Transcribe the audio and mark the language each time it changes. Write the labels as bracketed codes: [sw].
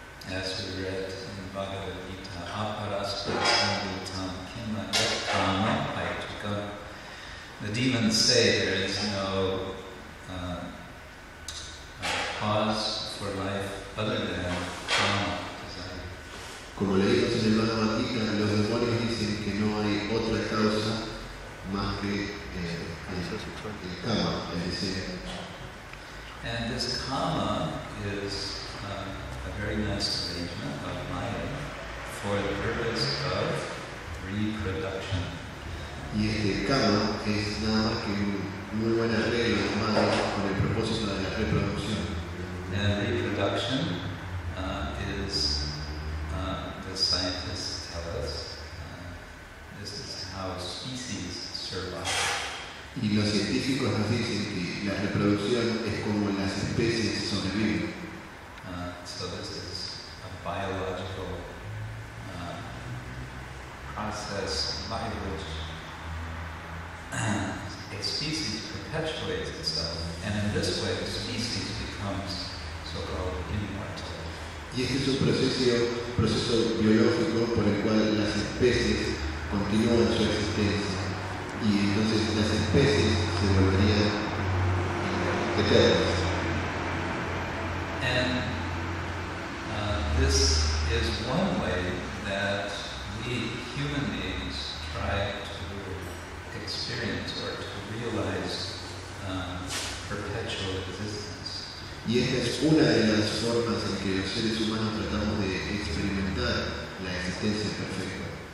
[en] As we read in Bhagavad Gita, [sa] aparaspa-sambhitam-kimma-yat-prana-paitukam, [en] the demons say there is no cause for life other than prana desire. [es] Como leímos en el Bhagavad Gita, los demonios dicen que no hay otra causa más que el kama, el deseo. [en] And this kama is a very nice arrangement of Maya for the purpose of reproduction. [es] Y este kama es nada más que un muy buen arreglo de Maya con el propósito de la reproducción. [en] And reproduction is, the scientists tell us, this is how species survive. [es] Y los científicos nos dicen que la reproducción es como las especies sobreviven. [en] So this is a biological process by which a species perpetuates itself, and in this way the species becomes so-called immortal. [es] Y este es un proceso biológico por el cual las especies continúan su existencia, y entonces las especies se volverían eternas. [en] And this is one way that we human beings try to experience or to realize perpetual existence. [es] Y esta es una de las formas en que los seres humanos tratamos de experimentar la existencia perfecta.